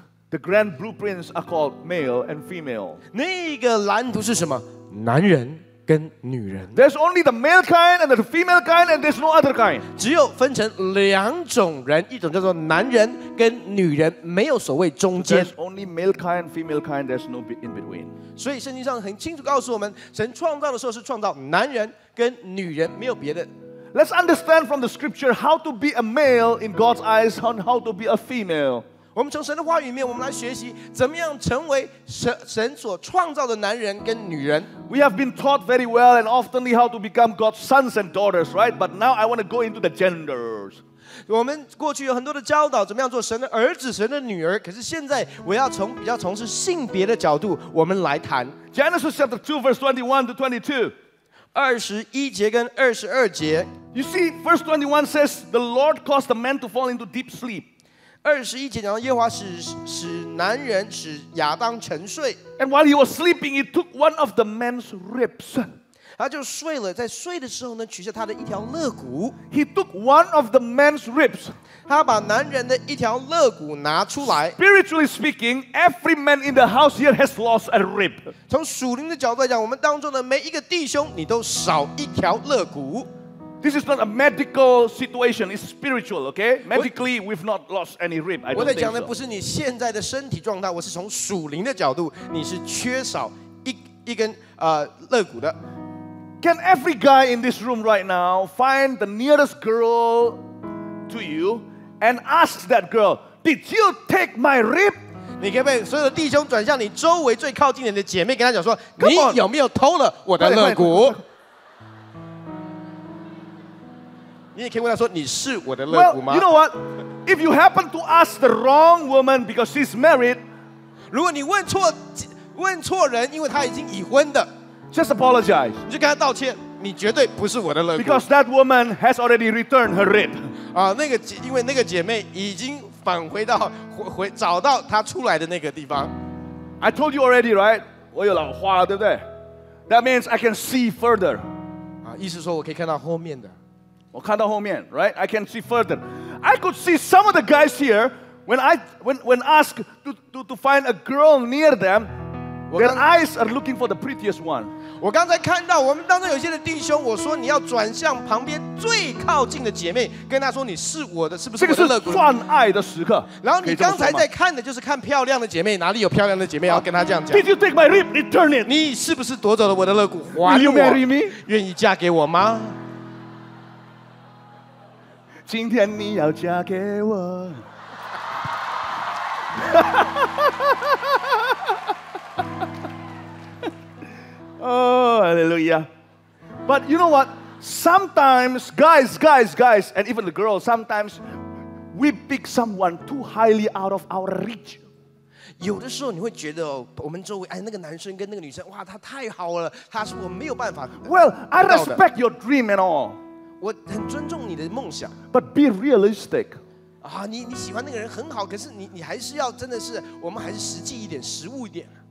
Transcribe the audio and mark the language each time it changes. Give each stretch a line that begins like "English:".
English: ？The grand blueprints are called male and female.
Chinese: 那个蓝图是什么？男人跟女人。
English: There's only the male kind and the female kind, and there's no other kind.
Chinese: 只有分成两种人，一种叫做男人跟女人，没有所谓中间。
English: There's only male kind, female kind. There's no in between.
Chinese: 所以圣经上很清楚告诉我们，神创造的时候是创造男人跟女人，没有别的。
English: Let's understand from the scripture how to be a male in God's eyes and how to be a female.
Chinese: 我们从神的话语里面，我们来学习怎么样成为 神所创造的男人跟女人。
English: We have been taught very well and oftenly how to become God's sons and daughters, right? But now I want to go into the genders.
Chinese: 我们过去有很多的教导怎么样做神的儿子、神的女儿，可是现在我要从比较从事性别的角度，我们来谈
English: Genesis chapter 2 verse 21 to 22。
Chinese: 21节跟22节
English: You see, verse 21 says, The Lord caused the man to fall into deep sleep.
Chinese: 21节讲到耶和华使男人使亚当沉睡。
English: And while he was sleeping, he took one of the man's ribs.
Chinese: 他就睡了，在睡的时候呢，取下他的一条肋骨。
English: He took one of the man's ribs.
Chinese: 他把男人的一条肋骨拿出来。
English: Spiritually speaking, every man in the house here has lost a rib.
Chinese: 从属灵的角度来讲，我们当中的每一个弟兄，你都少一条肋骨。
English: This is not a medical situation, it's spiritual, okay? Medically, we've not lost any rib. I don't think so.
Chinese: 不是你现在的身体状态，我是从属灵的角度，你是缺少一根肋骨的。
English: Can every guy in this room right now find the nearest girl to you and ask that girl, "Did you take my rib?"
Chinese: 你可不可以所有的弟兄转向你周围最靠近你的姐妹，跟她讲说，你有没有偷了我的肋骨？你也可以问她说，你是我的肋骨吗
English: ？Well, you know what? If you happen to ask the wrong woman because she's married,
Chinese: 如果你问错人，因为她已经已婚的。
English: Just apologize.
Chinese: 你就跟他道歉，你绝对不是我的肋骨。
English: Because that woman has already returned her rib.
Chinese: 因为那个姐妹已经返回到找到她出来的那个地方。
English: I told you already, right?
Chinese: 我有老花，对不对
English: ？That means I can see further.
Chinese: 意思说我可以看到后面的。我看到后面
English: ，right? I can see further. I could see some of the guys here when asked to find a girl near them. Their eyes are looking for the prettiest one.
Chinese: 我刚才看到我们当中有些的弟兄，我说你要转向旁边最靠近的姐妹，跟她说你是我的，是不是我的肋骨？这个是赚爱的时刻。然后你刚才在看的就是看漂亮的姐妹，哪里有漂亮的姐妹要跟她这样讲
English: ？Did you take my rib? Return it.
Chinese: 你是不是夺走了我的肋骨？还我
English: Will you marry me?
Chinese: 愿意嫁给我吗？今天你要嫁给我。
English: Oh, hallelujah. But you know what? Sometimes, guys, and even the girls, sometimes we pick someone too highly out of our reach.
Chinese: 有的时候你会觉得我们周围那个男生跟那个女生哇他太好了他是我没有办法。
English: Well, I respect your dream and all.
Chinese: 我很尊重你的梦想。
English: But be realistic.
Chinese: 你喜欢那个人很好可是你还是要真的是我们还是实际一点实务一点。